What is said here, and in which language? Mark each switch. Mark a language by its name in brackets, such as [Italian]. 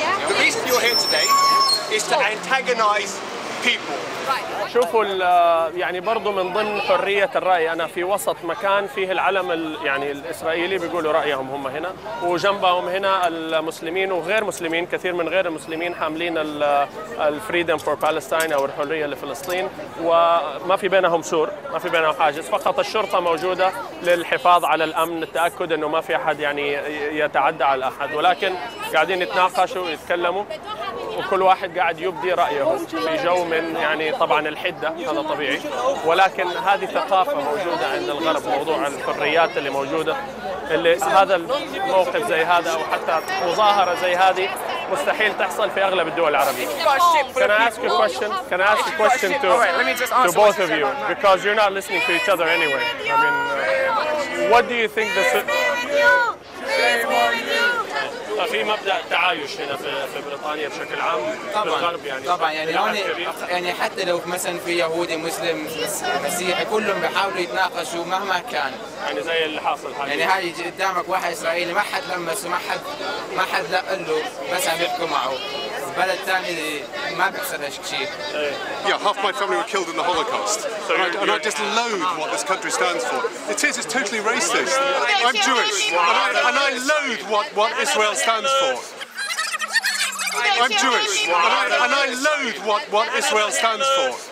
[English] The reason you're here today is to antagonize people. [Arabic] شوفوا يعني برضو من ضمن حرية الرأي، أنا في وسط مكان فيه العلم يعني الإسرائيلي بيقولوا رأيهم هم هنا، وجنبهم هنا المسلمين وغير مسلمين، كثير من غير المسلمين حاملين [English] الفريدم for Palestine [Arabic] أو الحرية لفلسطين، وما في بينهم سور، ما في بينهم حاجز، فقط الشرطة موجودة للحفاظ على الأمن، التأكد أنه ما في أحد يعني يتعدى على أحد، ولكن قاعدين يتناقشوا ويتكلموا وكل واحد قاعد يبدي رأيه في جو من يعني طبعا الحدة، هذا طبيعي، ولكن هذه ثقافة موجودة عند الغرب، موضوع الحريات اللي موجودة، اللي هذا الموقف زي هذا أو حتى مظاهرة زي هذه مستحيل تحصل في أغلب الدول العربية. [English] Can I ask a question? Can I ask a question to both of you? Because you're not listening to each other anyway. I mean, what do you think the [Arabic] في مبدأ تعايش هنا في بريطانيا بشكل عام طبعاً في الغرب يعني طبعاً يعني حتى لو مثلاً في يهودي مسلم مسيحي كلهم بيحاولوا يتناقشوا مهما كان يعني زي اللي حاصل حاليا يعني هاي قدامك واحد إسرائيلي ما حد لمسه ما حد لقل له بس عم يحكوا معه بلد ثاني ما بيحصل شيء [English] Yeah, half my family were killed in the Holocaust. And I just loathe what this country stands for. It's totally racist. I'm Jewish. And I loathe what Israel stands for. I'm Jewish. And I loathe what Israel stands for.